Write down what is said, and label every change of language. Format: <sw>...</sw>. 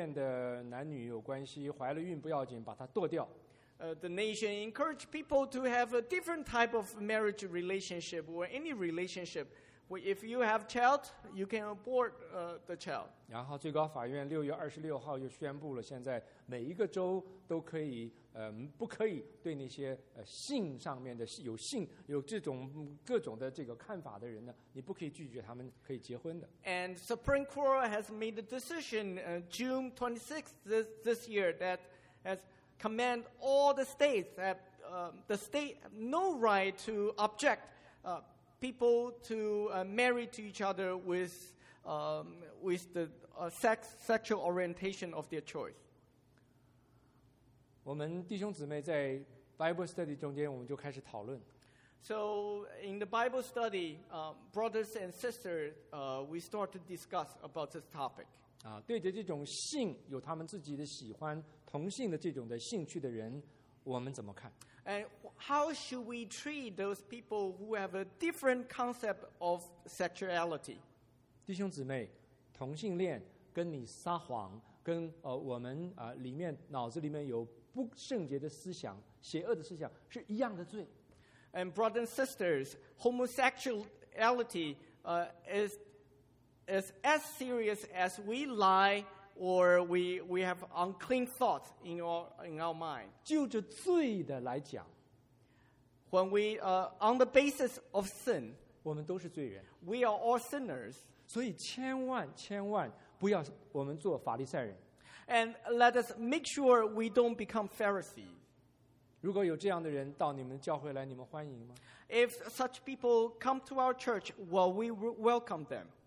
<zh>鼓励人可以随便的男女有关系, 怀了孕不要紧, 把它剁掉。</zh> <en>The nation encouraged people to have a different type of marriage relationship or any relationship. If you have child, you can abort the child.</en> <zh>然后最高法院 6月26号又宣布了现在每一个州都可以 不可以对那些性上面的有性有这种各种的这个看法的人呢，你不可以拒绝他们可以结婚的。</zh> <en>And Supreme Court has made a decision June 26th this year that has command all the states that the state no right to object people to marry to each other with the sexual orientation of their choice.</en> <zh>我们弟兄姊妹在 Bible study 中间我们就开始讨论。</zh> <en>So in the Bible study, brothers and sisters, we start to discuss about this topic.</en> <zh>对着这种性有他们自己的喜欢同性的这种的兴趣的人 我们怎么看?</zh> <en>And how should we treat those people who have a different concept of sexuality?</en> <zh>弟兄姊妹, 同性恋跟你撒谎, 跟, 我们, 里面, 脑子里面有不圣洁的思想, 邪恶的思想, 是一样的罪。</zh> <en>And brothers and sisters, homosexuality is as serious as we lie or we have unclean thoughts in our mind.</en> <zh>就着罪的来讲,</zh> <en>when we on the basis of sin,</en> <zh>我们都是罪人,</zh> <en>we are all sinners.</en> <zh>所以千万千万不要我们做法利赛人。</zh> <en>And let us make sure we don't become Pharisees.</en> <zh>如果有这样的人到你们教会来，你们欢迎吗？</zh> <en>If such people come to our church, will we welcome them?</en>